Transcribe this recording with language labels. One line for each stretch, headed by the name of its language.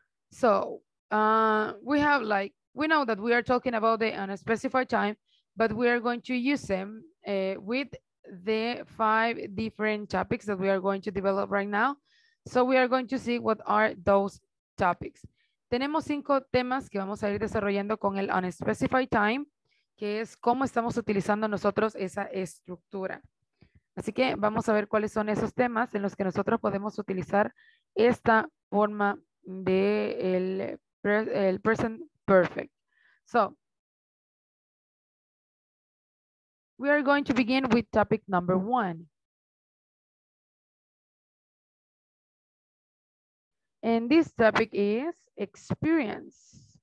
English: So we have like, we know that we are talking about the unspecified time, but we are going to use them with the five different topics that we are going to develop right now. So we are going to see what are those topics.
Spanish: Tenemos cinco temas que vamos a ir desarrollando con el unspecified time, que es cómo estamos utilizando nosotros esa estructura. Así que vamos a ver cuáles son esos temas en los que nosotros podemos utilizar esta forma de el present perfect. So,
English: We are going to begin with topic number one. And this topic is experience.